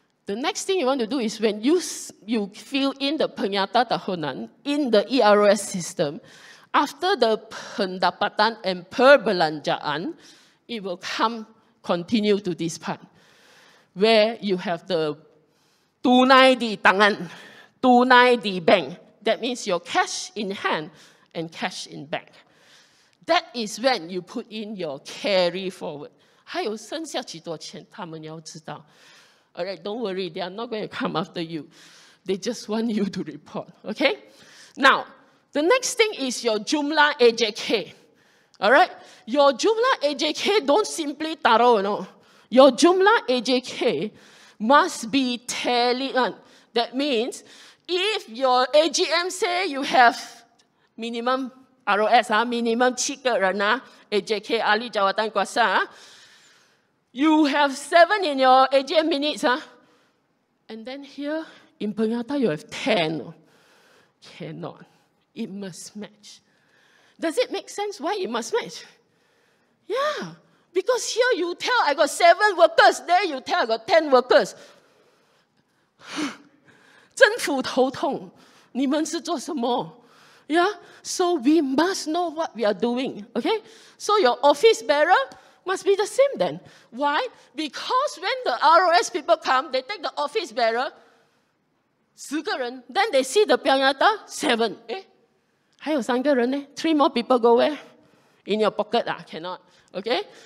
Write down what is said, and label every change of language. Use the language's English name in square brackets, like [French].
[English] The next thing you want to do is when you fill in the pernyataan tahunan in the ERS system, after the pendapatan and perbelanjaan, it will come continue to this part where you have the [Malay] tunai di tangan, tunai di bank. [English] That means your cash in hand and cash in bank. That is when you put in your carry forward. [Chinese] 还有剩下几多钱，他们要知道。 [English] All right, don't worry, they are not going to come after you. They just want you to report, okay? Now, the next thing is your jumlah AJK. All right? Your jumlah AJK don't simply taruh, no. Your jumlah AJK must be tallied on. That means if your AGM say you have minimum ROS, minimum [Chinese] 7个人, [English] AJK, Ahli Jawatan Kuasa, you have 7 in your AGM minutes, huh? And then here in Pengata you have 10. Cannot. It must match. Does it make sense why it must match? Yeah. Because here you tell I got 7 workers, there you tell I got 10 workers. [Chinese] 政府头痛,你们是做什么? [English] Yeah? So we must know what we are doing. Okay? So your office bearer must be the same then. Why? Because when the ROS people come, they take the office bearer, [Chinese] 10个人, [English] then they see the pyanyata, 7. Eh? [Chinese] 还有3个人呢? [English] 3 more people go where? In your pocket, ah? Cannot. Okay?